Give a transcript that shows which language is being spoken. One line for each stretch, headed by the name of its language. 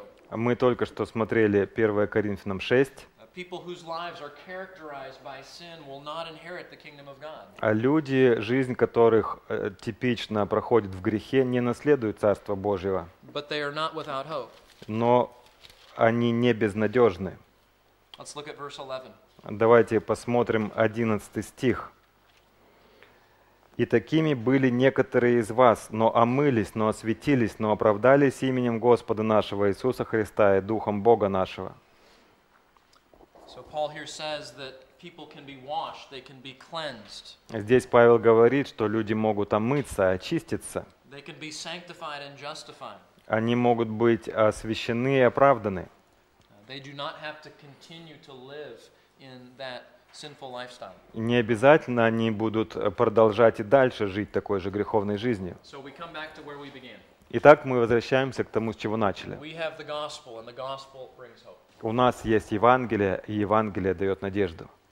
Russian: Мы только что смотрели 1 Коринфянам 6.
English: People whose lives are characterized by sin will not inherit the kingdom of God.
Russian: А люди, жизнь которых типично проходит в грехе, не наследуют Царство Божьего.
English: But they are not without hope.
Russian: Но они не безнадежны.
English: Let's look at verse 11.
Russian: Давайте посмотрим 11 стих. «И такими были некоторые из вас, но омылись, но освятились, но оправдались именем Господа нашего Иисуса Христа и Духом Бога нашего».
English: So Paul here says that people can be washed, they can be cleansed.
Russian: Здесь Павел говорит, что люди могут омыться, очиститься.
English: They can be sanctified and justified.
Russian: они могут быть освящены и оправданы.
English: They do not have to continue to live in that sinful lifestyle.
Russian: Не обязательно они будут продолжать и дальше жить такой же греховной жизнью.
English: So we come back to where we began.
Russian: Итак, мы возвращаемся к тому, с чего начали.
English: We have the gospel, and the gospel brings hope.
Russian: У нас есть Евангелие, и Евангелие дает надежду.